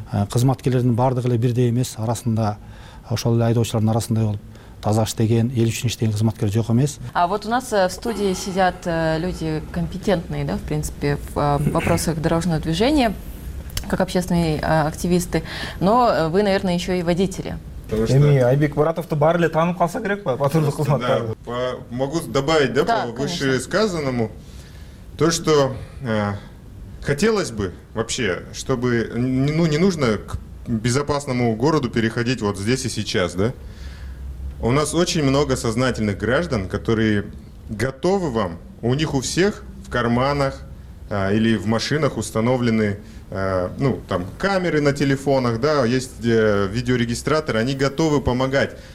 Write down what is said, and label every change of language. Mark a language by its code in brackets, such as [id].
[ky] Кызматкерлердин баардыгы эле бирдей эмес, арасында ошол эле айдоочулардын арасында болуп таза иштеген, эл үчүн иштеген кызматкер жок эмес. [ru] А вот у нас в студии сидят люди компетентные, да, в принципе, в вопросах дорожного движения, как общественные активисты. Но вы, наверное, еще и водители. [ky] Эми Айбек Маратовту баары эле таанып калса керек па, патрулдук кызматкер? [ru] Могу добавить, да, по вышесказанному, то, что хотелось бы вообще, чтобы, ну, не нужно к безопасному городу переходить вот здесь и сейчас, да? У нас очень много сознательных граждан, которые готовы вам, у них у всех в карманах или в машинах установлены, ну, там, камеры на телефонах, да, есть видеорегистраторы, они готовы помогать.